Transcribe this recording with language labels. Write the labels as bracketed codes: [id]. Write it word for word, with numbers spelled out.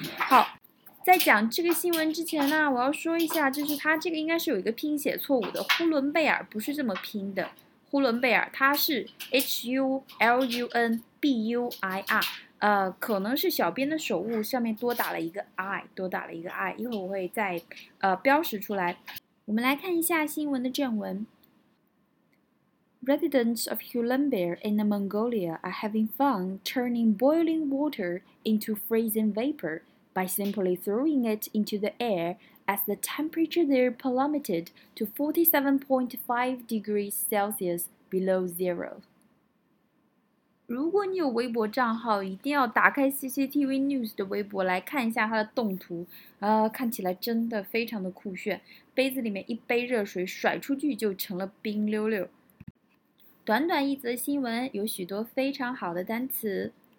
[zh] 好，在讲这个新闻之前呢，我要说一下，就是它这个应该是有一个拼写错误的，呼伦贝尔不是这么拼的，呼伦贝尔它是 H U L U N B U I R。呃，可能是小编的手误，上面多打了一个 i， 多打了一个 i， 一会儿我会再呃标识出来。我们来看一下新闻的正文。 [en] Residents of Hulunbuir in Mongolia are having fun turning boiling water into freezing vapor by simply throwing it into the air as the temperature there plummeted to forty-seven point five degrees Celsius below zero。 [zh] 如果你有微博账号，一定要打开 C C T V News 的微博来看一下它的动图，呃，看起来真的非常的酷炫。杯子里面一杯热水甩出去就成了冰溜溜。短短一则新闻有许多非常好的单词。